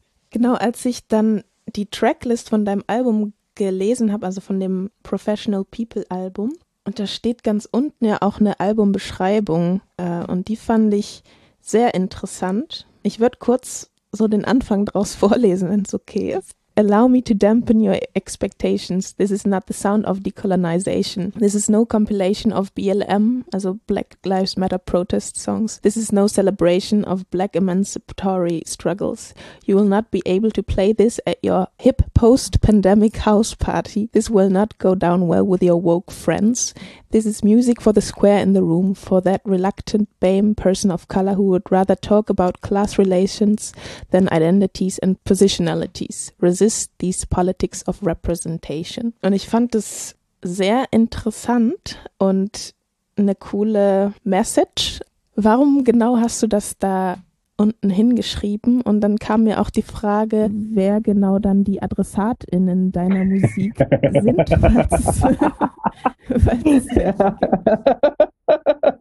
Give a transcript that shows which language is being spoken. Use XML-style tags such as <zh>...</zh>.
<de>Genau, als ich dann die Tracklist von deinem Album gelesen habe, also von dem Professional People Album, und da steht ganz unten ja auch eine Albumbeschreibung, und die fand ich sehr interessant. Ich würde kurz so den Anfang draus vorlesen, wenn es okay ist.</de> <en>Allow me to dampen your expectations. This is not the sound of decolonization. This is no compilation of BLM, also Black Lives Matter protest songs. This is no celebration of black emancipatory struggles. You will not be able to play this at your hip post-pandemic house party. This will not go down well with your woke friends. This is music for the square in the room, for that reluctant BAME person of color who would rather talk about class relations than identities and positionalities. Resist these politics of representation.</en> <de>Und ich fand es sehr interessant und eine coole Message. Warum genau hast du das da unten hingeschrieben? Und dann kam mir auch die Frage, wer genau dann die AdressatInnen deiner Musik sind, falls es welche gibt.</de>